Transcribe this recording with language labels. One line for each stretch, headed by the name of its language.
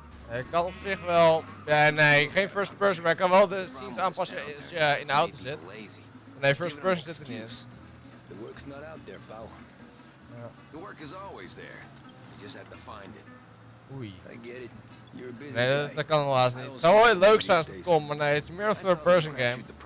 Dutch: Ik kan op zich wel. Ja, nee, geen first person, maar ik kan wel de scenes aanpassen als je in de auto zit. Nee, first person zit er niet in.
English: The work's not out there, pal. The work is always there. You just have to find it. Oei. I get it.
Dutch: Nee, dat kan helaas niet. Zou ooit leuk zijn als het komt, maar nee, het is meer een third person game.